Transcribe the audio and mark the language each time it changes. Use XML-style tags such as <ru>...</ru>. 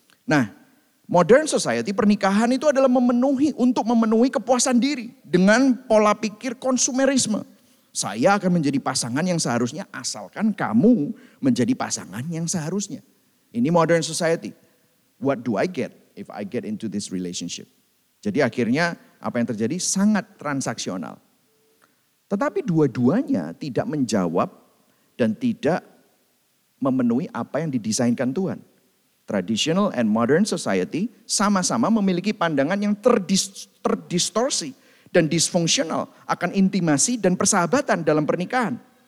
<id>Nah, modern society, pernikahan itu adalah memenuhi kepuasan diri dengan pola pikir konsumerisme. Saya akan menjadi pasangan yang seharusnya asalkan kamu menjadi pasangan yang seharusnya. Ini modern society.</id> <en>what do I get if I get into this relationship?</en> <id>Jadi akhirnya apa yang terjadi? Sangat transaksional. Tetapi dua-duanya tidak menjawab dan tidak memenuhi apa yang didesainkan Tuhan.</id> <en>Traditional and modern society</en> <id>sama-sama memiliki pandangan yang terdistorsi dan disfungsional akan intimasi dan persahabatan dalam pernikahan.</id>